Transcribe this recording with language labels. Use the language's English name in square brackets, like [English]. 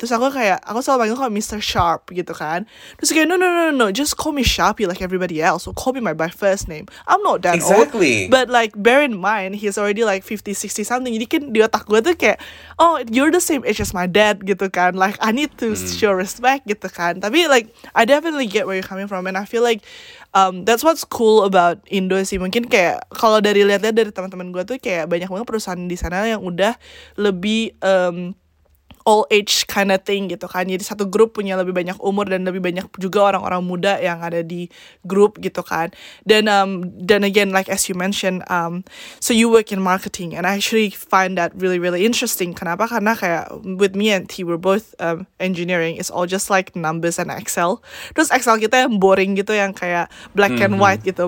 [Indonesian] Terus aku kayak, aku selalu panggil kok Mr. Sharp gitu kan. Terus kayak, [English] no, just call me Sharpie like everybody else, or call me my first name. I'm not that exactly. old. But like, bear in mind, he's already like 50-60 something, [Indonesian] jadi kan di otak gue tuh kayak, [English] oh you're the same age as my dad [Indonesian] gitu kan. [English] Like, I need to show respect [Indonesian] gitu kan. Tapi [English] like I definitely get where you're coming from, and I feel like that's what's cool about Indo [Indonesian] sih. Mungkin kayak kalau dari lihat-lihat dari teman-teman gue tuh kayak banyak banget perusahaan di sana yang udah lebih [English] all age kind of thing [Indonesian] gitu kan. Jadi satu grup punya lebih banyak umur dan lebih banyak juga orang-orang muda yang ada di grup gitu kan. Dan dan [English] again like as you mentioned, so you work in marketing, and I actually find that really really interesting. [Indonesian] Kenapa? Karena kayak [English] with me and T, we're both engineering, it's all just like numbers and Excel. [Indonesian] Terus Excel kita yang boring gitu, yang kayak [English] black and white [Indonesian] gitu.